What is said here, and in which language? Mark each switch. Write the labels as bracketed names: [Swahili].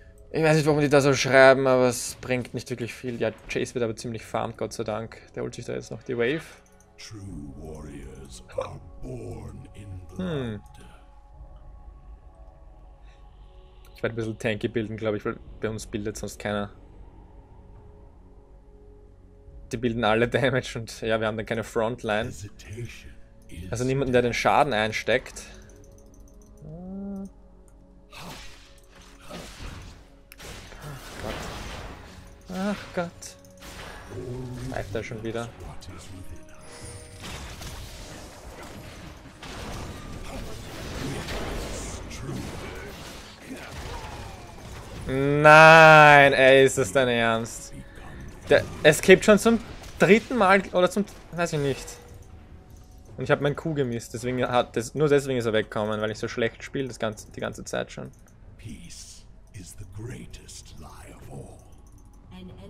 [German] Ich weiß nicht, warum die da so schreiben, aber es bringt nicht wirklich viel. Ja, Chase wird aber ziemlich farmt, Gott sei Dank. Der holt sich da jetzt noch die Wave. [English] True Warriors are born in blood. [German] Ich werde ein bisschen tanky bilden, glaube ich, weil bei uns bildet sonst keiner. Die bilden alle Damage und ja, wir haben dann keine Frontline. Also niemanden, der den Schaden einsteckt. Ach Gott. Pfeift er schon wieder. Nein, ey, ist das dein Ernst? Der escaped schon zum dritten Mal oder zum. Weiß ich nicht. Und ich habe mein Q gemisst, deswegen hat das. Nur deswegen ist er weggekommen, weil ich so schlecht spiele die ganze Zeit schon. [English] Peace is the greatest lie of all.